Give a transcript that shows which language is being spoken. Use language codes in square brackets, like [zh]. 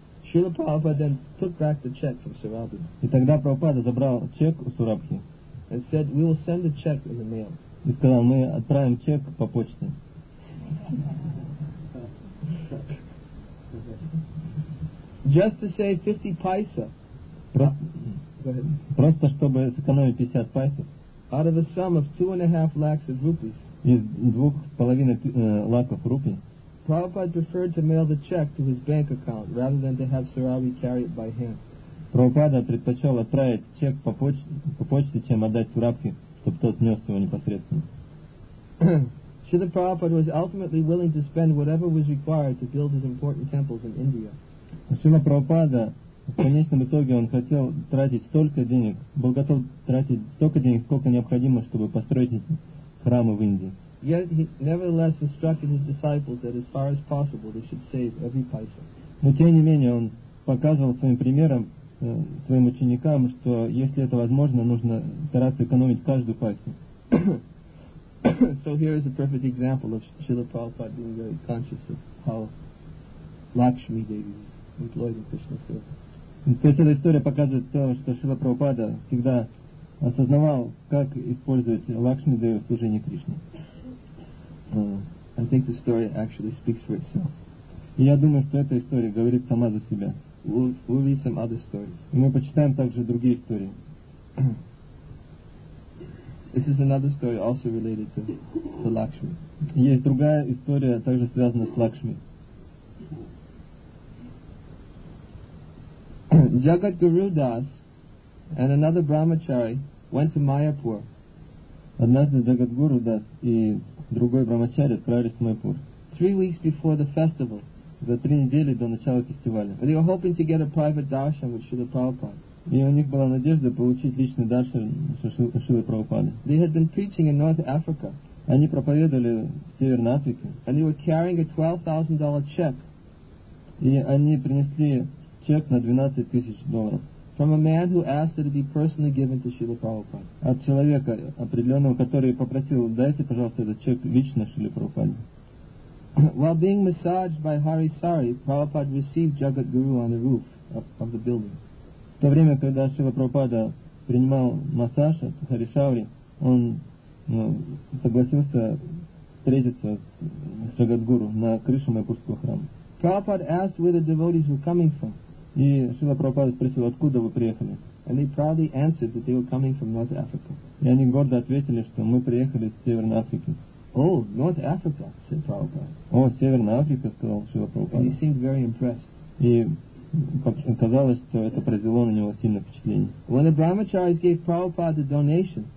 [en] Srila Prabhupada then took back the check from Sarabhi. [ru] И тогда Прабхупада забрал чек у Сарабхи. [en] And said, we will send the check in the mail. [ru] И сказал, мы отправим чек по почте. [en] Just to save 50 paisa. [ru] Просто чтобы сэкономить 50 paisa. [en] Out of a sum of 2.5 lakhs of rupees. [ru] Из 2.5 lakhs rupees. [en] Prabhupada preferred to mail the check to his bank account rather than to have Sarabhi carry it by hand. [ru] Прабхупада предпочел отправить чек по почте, чем отдать Сурабхи, чтобы тот нес его непосредственно. [en] Srila Prabhupada was ultimately willing to spend whatever was required to build his important temples in India. [ru] Srila Prabhupada, в конечном итоге, он хотел тратить столько денег, был готов тратить столько денег, сколько необходимо, чтобы построить храмы в Индии. [en] Yet he nevertheless instructed his disciples that as far as possible they should save every paisa. [ru] Но тем не менее он показывал своим примером своим ученикам, что если это возможно, нужно стараться экономить каждую пайсу. [en] So here is a perfect example of Srila Prabhupada being very conscious of how Lakshmi Devi is employed in Krishna's service. [ru] То есть эта история показывает то, что Шрила Прабхупада всегда осознавал, как использовать Лакшми Деви в служении Кришне. [en] I think the story actually speaks for itself. [ru] Я думаю, что эта история говорит сама за себя. [en] We'll read some other stories. [ru] И мы почитаем также другие истории. [en] This is another story also related to Lakshmi. [ru] Есть другая история, также связанная с Лакшми. [en] Jagat Guru Das and another Brahmachari went to Mayapur. [ru] Однажды Jagat Guru Das и другой Брамачари отправились в Майпур. [en] 3 weeks before the festival. [ru] За 3 недели до начала фестиваля. [en] They were hoping to get a private darshan with Srila Prabhupada. [ru] И у них была надежда получить личный даршан со Шрилой Прабхупадой. [en] They had been preaching in North Africa. [ru] Они проповедовали в Северной Африке. [en] And they were carrying a $12,000 check. [ru] И они принесли чек на $12,000. [en] From a man who asked that it be personally given to Srila Prabhupada. [ru] От человека определенного, который попросил, дайте, пожалуйста, этот чек лично Шриле Прабхупаде. [en] While being massaged by Hari Sari, Prabhupada received Jagat Guru on the roof of the building. [ru] В то время, когда Шрила Прабхупада принимал массаж от Хари Шаури, он согласился встретиться с Джагат Гуру на крыше Майпурского храма. [en] Prabhupada asked where the devotees were coming from. [ru] И Шрила Прабхупада спросил, откуда вы приехали. [en] And they proudly answered that they were coming from North Africa. [ru] И они гордо ответили, что мы приехали из Северной Африки. [en] Oh, North Africa, said Prabhupada. [ru] Oh, Северная Африка, сказал Шрила Прабхупада. [en] And he seemed very impressed. [ru] И казалось, что это произвело на него сильное впечатление. [en] When the Brahmacharis gave Prabhupada the donation,